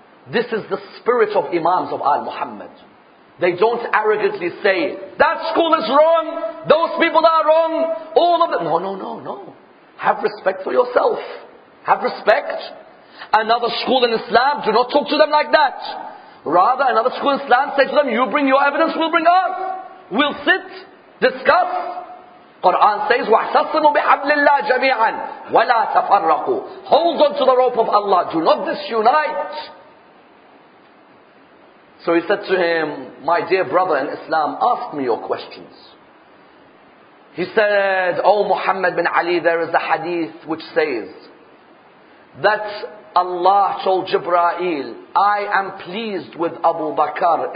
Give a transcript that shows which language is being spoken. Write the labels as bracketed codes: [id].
[en] This is the spirit of Imams of Al Muhammad. They don't arrogantly say, that school is wrong, those people are wrong, all of them. No. Have respect for yourself. Have respect. Another school in Islam, do not talk to them like that. Rather, another school in Islam, say to them, you bring your evidence, we'll bring ours. We'll sit, discuss. Quran says, [ar] وَاحْتَصِمُوا بِحَبْلِ اللَّهِ جَمِيعًا وَلَا تَفَرَّقُوا. [en] Hold on to the rope of Allah. Do not disunite. So he said to him, my dear brother in Islam, ask me your questions. He said, O Muhammad bin Ali, there is a hadith which says that Allah told Jibreel, I am pleased with Abu Bakr.